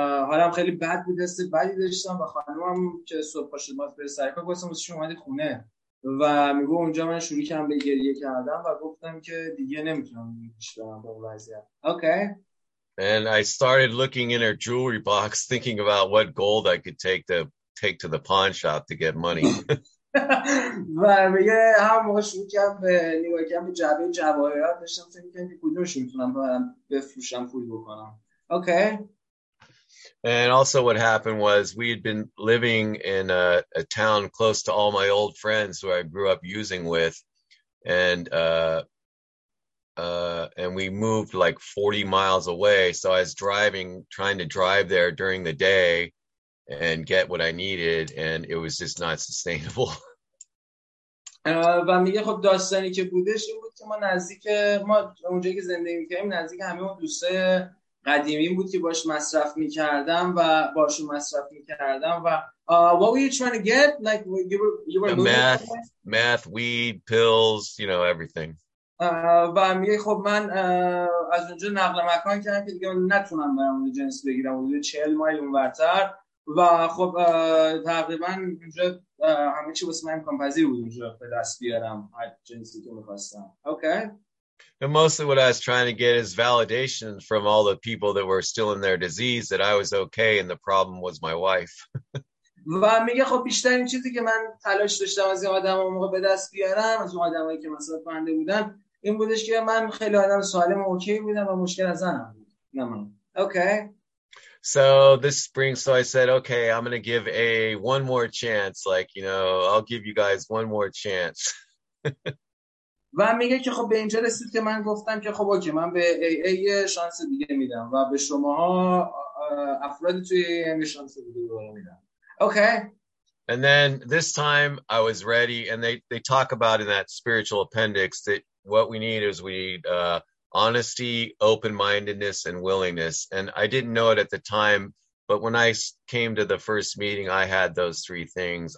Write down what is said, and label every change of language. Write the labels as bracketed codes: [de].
[fa] حالم خیلی بد بود، حس بدی داشتم و خانمم که صبح پاشید ماست بری سرکا گفتم واسه شما اومدی خونه و میگو اونجا من شروع کردم به گریه کردم و گفتم که دیگه نمیتونم بیشترم با اون وضعیت. [en] Okay. And I started looking in her jewelry box thinking about what gold I could take to the pawn shop to get money. [fa] و میگه هر موقع شروع کردم به نگاه کردم به جعبه جواهرات داشتم فکر می‌کردم که کدومش می‌تونم بفروشم پول بکنم. [en] Okay. And also what happened was we had been living in a town close to all my old friends who I grew up using with, and we moved like 40 miles away, so I was trying to drive there during the day and get what I needed, and it was just not sustainable. [fa] و میگه خب داستانی که بودش این بود که ما نزدیک ما اونجایی که زندگی میکردیم نزدیک همه اون دوستای قدیمی بود که باش مصرف میکردم و باشون مصرف میکردم و [en] what were you trying to get? Like you were meth, meth, weed, pills, you know, everything. [fa] و میگه خب من از اونجا نقل مکان کردم که دیگه نتونم برم اون جنس بگیرم حدود 40 مایل اونورتر و خب تقریبا اونجا همه چی واسه من امکان پذیر بود اونجا به دست بیارم هر جنسی که میخواستم. [en] Okay. And mostly what I was trying to get is validation from all the people that were still in their disease that I was okay and the problem was my wife. [fa] و میگه خب بیشتر این چیزی که من تلاش داشتم از این آدم ها موقع به دست بیارم از اون آدم هایی که مصرف کننده بودن این بودش که من خیلی آدم سالم و اوکی بودم و مشکل از زنم بود. [en] Okay. So this spring, so I said, okay, I'm going to give a one more chance. Like, you know, I'll give you guys one more chance. [fa] و میگه که خب به اینجا رسید که من گفتم که خب اوکی من به AA شانس دیگه میدم و به شما افرادی توی AA شانس دیگه میدم. [en] Okay. And then this time I was ready and they talk about in that spiritual appendix that what we need is we need honesty, open-mindedness and willingness. And I didn't know it at the time, but when I came to the first meeting, I had those three things.